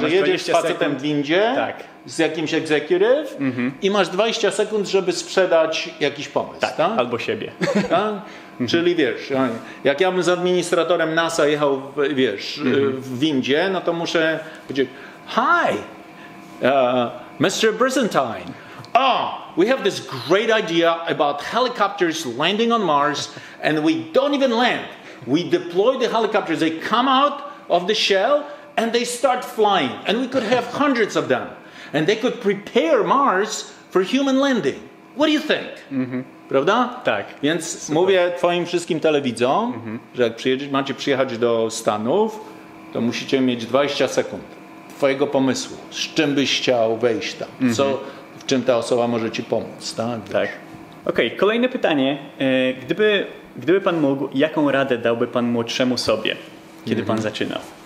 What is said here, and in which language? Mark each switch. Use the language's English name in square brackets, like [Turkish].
[Polish] Tak, że jedziesz z facetem w Indzie z jakimś executive i masz 20 sekund, żeby sprzedać jakiś pomysł. Tak, albo siebie. Czyli wiesz, jak ja bym z administratorem NASA jechał, wiesz, w Indzie, no to muszę powiedzieć, [English] hi, Mr. Brizentine. Oh, we have this great idea about helicopters landing on Mars, and we don't even land. We deploy the helicopters. They come out of the shell, and they start flying. And we could have hundreds of them. And they could prepare Mars for human landing. What do you think? [Polish] Prawda? Tak. Więc super. Mówię twoim wszystkim telewidzom, że jak macie przyjechać do Stanów, to musicie mieć 20 sekund. Twojego pomysłu, z czym byś chciał wejść tam, w czym ta osoba może ci pomóc, tak? Tak. Okej, okay, kolejne pytanie. Gdyby pan mógł, jaką radę dałby pan młodszemu sobie, kiedy pan zaczynał?